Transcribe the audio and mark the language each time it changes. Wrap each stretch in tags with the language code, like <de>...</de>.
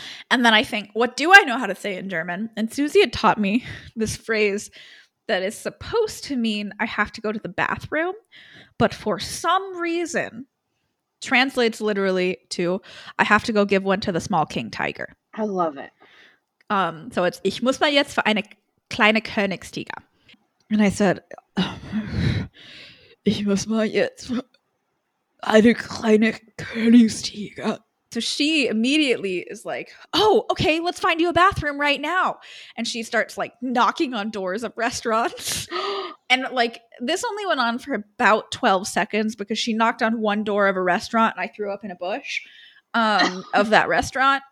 <en>And then I think, what do I know how to say in German? And Susie had taught me this phrase that is supposed to mean I have to go to the bathroom, but for some reason translates literally to I have to go give one to the small king tiger. I love it. So it's</en> <de>Ich muss mal jetzt für eine kleine Königstiger.</de> <en>And I said,</en> <de>Ich muss mal jetzt für eine kleine Königstiger.</de> <en>So she immediately is like, oh, okay, let's find you a bathroom right now. And she starts like knocking on doors of restaurants. And like this only went on for about 12 seconds because she knocked on one door of a restaurant and I threw up in a bush of that restaurant.</en>